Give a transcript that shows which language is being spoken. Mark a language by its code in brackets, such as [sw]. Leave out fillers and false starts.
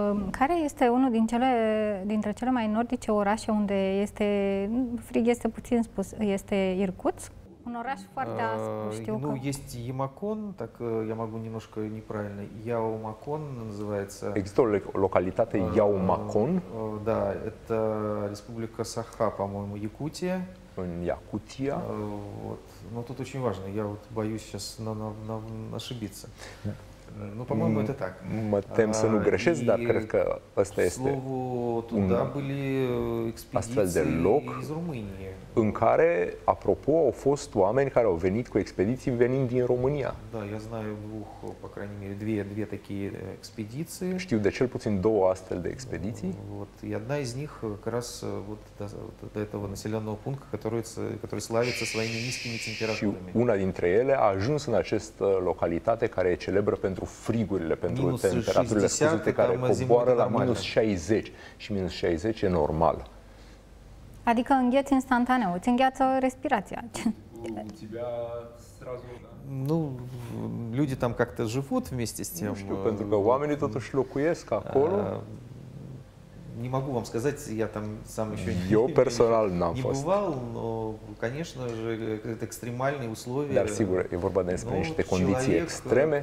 [ro] Care este unul dintre cele mai nordice orașe unde este frig, este puțin spus, este Irkutsk? Un oraș foarte aspru, știu că... Nu, este Yamakon, dacă [ru] я могу немножко неправильно. Yamakon называется... [ro] Există o localitate Yamakon? [ru] Da, это Республика Саха, по-моему, Якутия. [ro] În Якутия. [ru] Вот. Но тут очень важно. Я вот боюсь сейчас ошибиться. Ну, по-моему, это так. [ro] Mă tem să nu greșesc, dar cred că ăsta este... [ru] Слово, туда были экспедиции из Румынии. [ro] În care, apropo, au fost oameni care au venit cu expediții venind din România. [ru] Da, я знаю двух, по крайней мере, две такие экспедиции. [ro] Știu de cel puțin două astfel de expediții. [ru] Вот, и одна из них как раз вот до этого населённого пункта, который славится своими низкими температурами. [ro] Una dintre ele a ajuns în această localitate care e celebră pentru frigurile, pentru temperaturile scăzute care coboară la minus 60. Și minus 60 e normal. Adică îngheți instantaneu, îți îngheață respirația. [ru] Nu, люди там как-то живут вместе с тем. [ro] Nu știu, pentru că oamenii totuși locuiesc acolo. [ru] не могу вам сказать, я там сам еще не бывал, но, конечно же, это экстремальные условия. [ro] Dar sigur, e vorba despre niște condiții extreme.